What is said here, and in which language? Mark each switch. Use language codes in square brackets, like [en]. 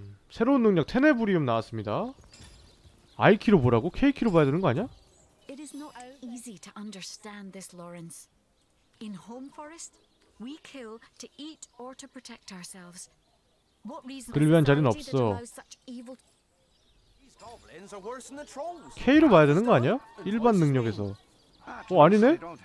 [ko] 새로운 능력 테네브리움 나왔습니다. IQ로 보라고? KQ로 봐야 되는 거 아니야? [en] It is not easy to understand this, Lawrence. In home forest, we kill to eat or to protect ourselves. What reason is that to such evil? These goblins are worse than the trolls. [ko] K로 봐야 되는 거 아니야? 일반 능력에서. 어, 아니네?